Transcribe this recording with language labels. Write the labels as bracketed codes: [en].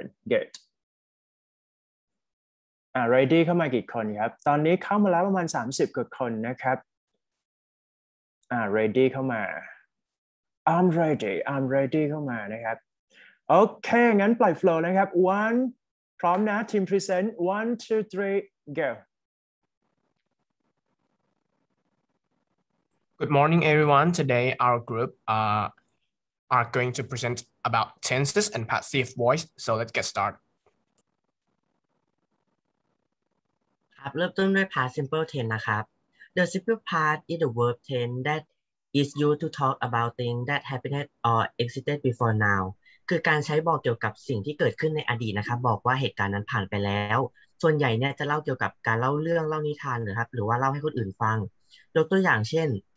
[th] good ready เข้ามากี่คนครับตอนนี้เข้ามาแล้วประมาณ30กว่าคนนะครับ ready เข้ามา [en] I'm ready [th] เข้ามานะครับโอเคงั้นปล่อยโฟลว์นะครับ oneพร้อมนะทีมพรีเซนต์ [en] 1 2 3 go Good morning everyone today our group are going to present about tenses and passive voice so let's get started [th] ครับเริ่มต้นด้วย past simple tense นะครับ [en] The simple past is the verb tense that is used to talk about things that happened or existed before now [th] คือการใช้บอกเกี่ยวกับสิ่งที่เกิดขึ้นในอดีตนะครับบอกว่าเหตุการณ์นั้นผ่านไปแล้วส่วนใหญ่เนี่ยจะเล่าเกี่ยวกับการเล่าเรื่องเล่านิทานนะครับหรือว่าเล่าให้คนอื่นฟังยกตัวอย่างเช่น